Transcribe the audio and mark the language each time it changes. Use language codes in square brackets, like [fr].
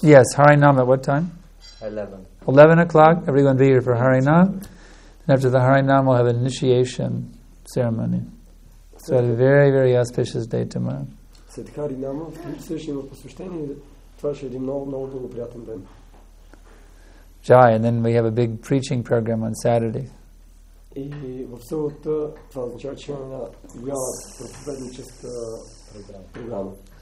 [en] Yes, Harinam at what time? 11. 11 o'clock, everyone be here for Harinam. And after the Harinam we'll have an initiation ceremony. So it's a very, very auspicious day tomorrow. [bg] След Харинама, в които също има посвещение, това ще е един много, много благоприятен ден. [en] Jai, and then we have a big preaching program on Saturday. [bg] И в събота, това означава, че имаме голяма проповедническа програма.